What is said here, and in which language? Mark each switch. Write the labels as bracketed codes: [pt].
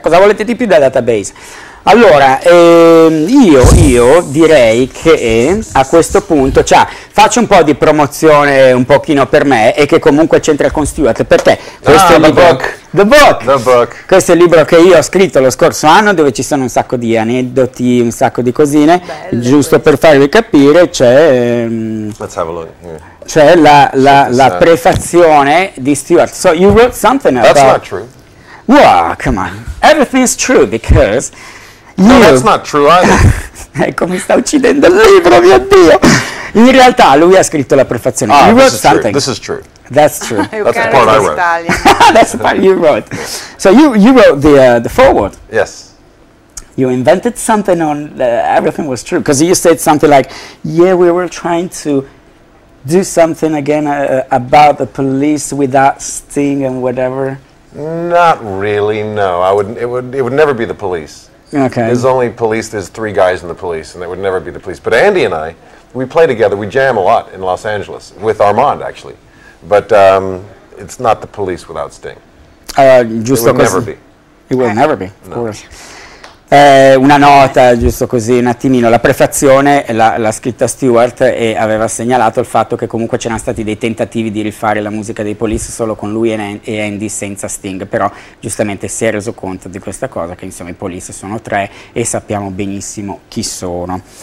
[it] Cosa volete di più dal database? Allora, io direi che a questo punto, cioè, faccio un po' di promozione un pochino per me, e che comunque c'entra con Stuart, perché questo è il libro The Book. Questo è il libro che io ho scritto lo scorso anno, dove ci sono un sacco di aneddoti, un sacco di cosine. Belle, giusto per farvi capire, c'è [en] Let's have a look. [it] C'è la prefazione di Stuart. [en] So you wrote something about That's not true. Wow, come on. Everything's true because you. No, that's not true either. [it] Ecco, mi sta uccidendo il libro, mio Dio. In realtà lui ha scritto la prefazione. Ah, [en] you wrote this is something. True. This is true. That's true. That's the part I wrote. That's the part you wrote. So you wrote the foreword. Yes. You invented something on everything was true, because you said something like, "Yeah, we were trying to do something again about the police without Sting and whatever." Not really. No, I wouldn't. It would never be the police. Okay. There's only police. There's three guys in the police, and it would never be the police. But Andy and I, we play together. We jam a lot in Los Angeles with Armand, actually. But it's not the police without Sting. [it] Giusto [en] it will [it] così. [en] Never be. It will never be, of course. [it] Una nota, giusto così, un attimino. La prefazione l'ha scritta Stuart, e aveva segnalato il fatto che comunque c'erano stati dei tentativi di rifare la musica dei Police solo con lui e Andy senza Sting. Però giustamente si è reso conto di questa cosa, che insomma i Police sono tre e sappiamo benissimo chi sono.